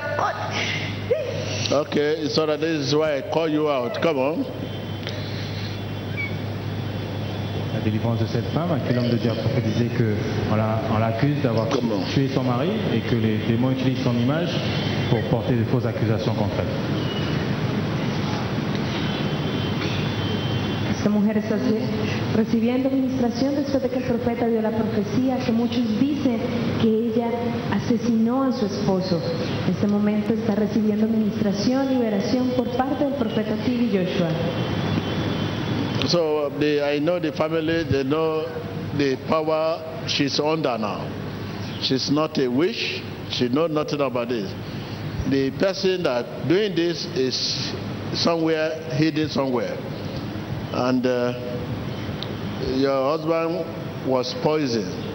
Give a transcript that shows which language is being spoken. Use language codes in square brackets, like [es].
[en] Okay, so that this is why I call you out. Come on. [fr] La délivrance de cette femme, à qui l'homme de Dieu a prophétisé que on l'accuse d'avoir tué son mari et que les démons utilisent son image pour porter de fausses accusations contre elle. [es] Esta mujer está recibiendo ministración después de que el profeta dio la profecía que muchos dicen que ella asesinó a su esposo. En este momento está recibiendo ministración, liberación por parte del profeta TV Joshua. [en] So I know the family, they know the power she's under now. She's not a witch. She knows nothing about this. The person that doing this is somewhere hidden somewhere. And your husband was poisoned.